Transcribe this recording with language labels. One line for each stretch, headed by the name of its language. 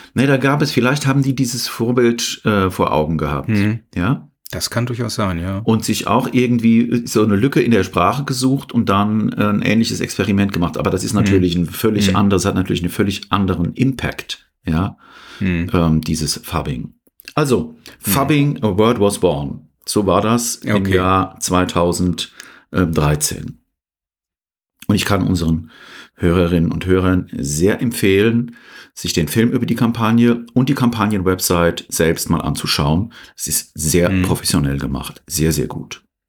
German: Nee, da gab es, vielleicht haben die dieses Vorbild vor Augen gehabt. Ja. Das kann durchaus sein, ja. Und sich auch irgendwie so eine Lücke in der Sprache gesucht und dann ein ähnliches Experiment gemacht. Aber das ist natürlich ein völlig anderes, hat natürlich einen völlig anderen Impact, ja, dieses Fubbing.
English: Also, Fubbing, a word was born.
German: So war das im Jahr 2013. Und ich kann unseren Hörerinnen und Hörern sehr empfehlen, sich den Film über die Kampagne und die Kampagnen-Website selbst mal anzuschauen. Es ist sehr professionell gemacht, sehr, sehr gut.